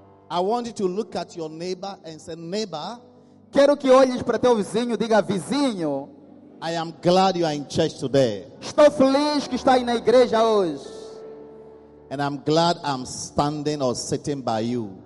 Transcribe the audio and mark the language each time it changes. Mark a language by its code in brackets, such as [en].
[en] I want you to look at your neighbor and say, neighbor, [pt] quero que olhes para teu vizinho, diga vizinho, [en] I am glad you are in church today. [pt] Estou feliz que estás na igreja hoje. [en] And I'm glad I'm standing or sitting by you.